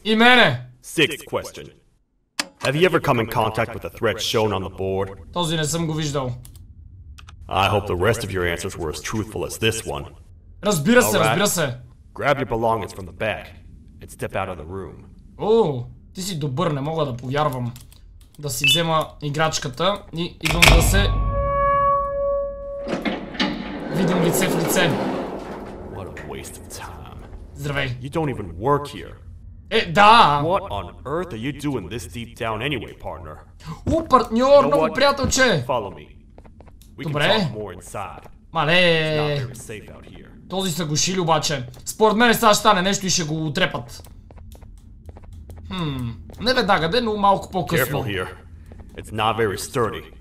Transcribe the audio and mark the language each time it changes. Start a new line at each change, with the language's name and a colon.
Bulgarian: И мене.
English: Sixth question. Have you ever come in contact with the threat shown on the board?
Bulgarian: Този не съм го виждал.
English: I hope the rest of your answers were as truthful as this one.
Bulgarian: Разбира се, разбира се.
English: Grab your belongings from the back and step out of the room.
Bulgarian: О, ти си добър, не мога да повярвам. Да си взема играчката и идвам да се... Видим лице в лице.
English: What a waste of time.
Bulgarian: Здравей.
English: You don't even work here.
Bulgarian: Е, да.
English: What on earth are you doing this deep down anyway, partner?
Bulgarian: У, партньор, много приятелче.
English: Follow me. We
Bulgarian: Добре.
English: Can talk more inside.
Bulgarian: Мале. Този са го шили обаче. Според мен сега ще стане нещо и ще го утрепат. Не веднага де, но малко по-късно.
English: Careful here. It's not very sturdy.